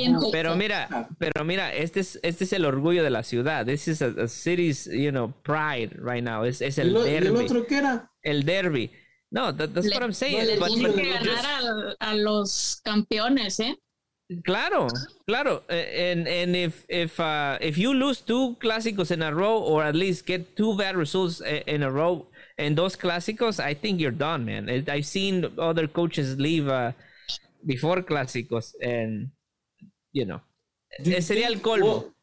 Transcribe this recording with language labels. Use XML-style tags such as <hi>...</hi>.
<es>Pero mira, este es el orgullo de la ciudad.</es> <en>This is a city's, you know, pride right now.</en> <es>Es el derby. ¿El otro qué era? El derby.</es> <en>No, that's what I'm saying.</en> <es>Le tiene que ganar a los campeones, ¿eh? Claro, claro.</es> <en>And if you lose two clásicos in a row, or at least get two bad results in a row in those clásicos, I think you're done, man. I've seen other coaches leave before clásicos, and you know,</en> <es>sería el colmo.</es>